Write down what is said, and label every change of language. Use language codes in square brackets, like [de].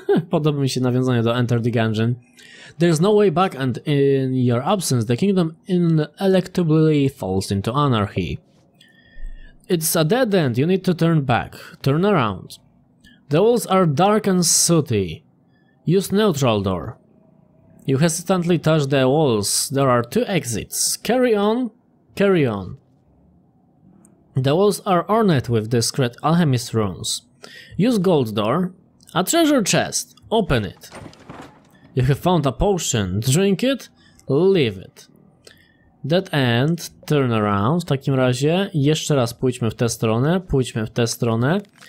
[pl] Podoba mi się nawiązanie do Enter the Gungeon. [en] There's no way back and in your absence the kingdom ineluctably falls into anarchy. It's a dead end, you need to turn back. Turn around. The walls are dark and sooty. Use neutral door. You hesitantly touch the walls. There are two exits. Carry on, carry on. The walls are ornate with discreet alchemist runes. Use gold door. A treasure chest. Open it. You have found a potion. Drink it. Leave it. Dead end, turn around. [pl] W takim razie jeszcze raz pójdźmy w tę stronę, pójdźmy w tę stronę.